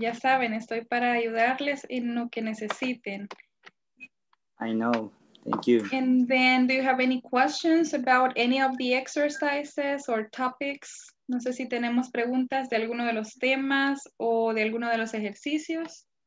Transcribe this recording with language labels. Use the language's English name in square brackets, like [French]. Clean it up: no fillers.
[Spanish] Ya saben, estoy para ayudarles en lo que necesiten. [English] I know. Thank you. And then, do you have any questions about any of the exercises or topics? [Spanish] No sé si tenemos preguntas de alguno de los temas o de alguno de los ejercicios.